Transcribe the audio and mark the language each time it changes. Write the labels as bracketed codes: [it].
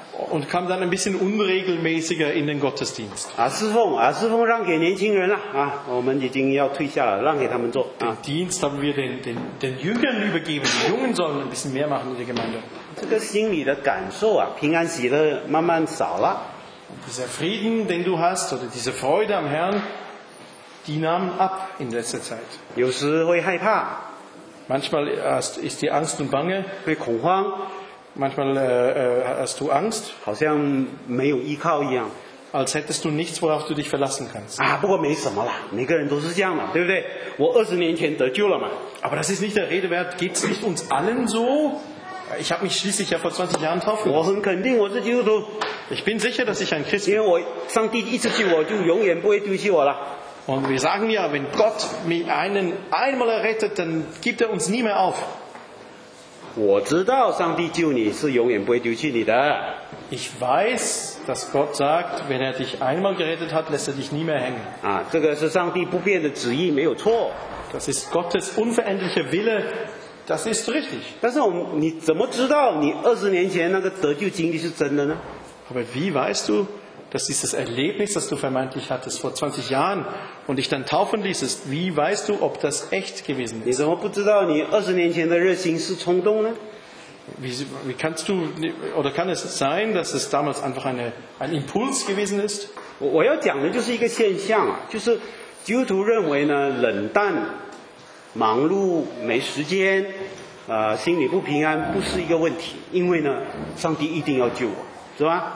[de] Und kam dann ein bisschen unregelmäßiger in den Gottesdienst. Den Dienst haben wir den Jüngern übergeben. Die Jungen sollen ein bisschen mehr machen in der Gemeinde. [zh] 这个心里的感受啊，平安喜乐慢慢少了。 [de] Dieser Frieden, den du hast, oder diese Freude am Herrn, die nahm ab in letzter Zeit. [zh] 有时会害怕。 [de] Manchmal ist die Angst und Bange. [zh] 会恐慌。 [de] Manchmal hast du Angst. [zh] 好像没有依靠一样。 [de] als hättest du nichts, worauf du dich verlassen kannst. [zh] 啊，不过没什么啦，每个人都是这样的，对不对？我二十年前得救了嘛。 [de] Aber das ist nicht der Rede wert. Geht's nicht uns allen so? Ich habe mich schließlich ja vor 20 Jahren taufen lassen. [zh] 我很肯定我是基督徒。 [de] Ich bin sicher, dass ich ein Christ bin. [zh] 因为我上帝一直救我，就永远不会丢弃我了。 [de] Und wir sagen ja, wenn Gott mich einen einmal errettet, dann gibt uns nie mehr auf. [zh] 我知道上帝救你是永远不会丢弃你的。 [de] Ich weiß, dass Gott sagt, wenn dich einmal gerettet hat, lässt dich nie mehr hängen. [zh] 啊，这个是上帝不变的旨意，没有错。 [de] Das ist Gottes unveränderlicher Wille. Das ist richtig. [zh] 但是我们，你怎么知道你二十年前那个得救经历是真的呢？ [de] Aber wie weißt du, dass dieses Erlebnis, das du vermeintlich hattest vor 20 Jahren und dich dann taufen ließest, wie weißt du, ob das echt gewesen ist? [zh] 你怎么不知道你二十年前的热心是冲动呢？ [de] Wie kannst du, oder kann es sein, dass es damals einfach ein Impuls gewesen ist? [zh] 我要讲的就是一个现象，就是基督徒认为呢，冷淡、忙碌、没时间、心里不平安不是一个问题，因为呢，上帝一定要救我，是吧？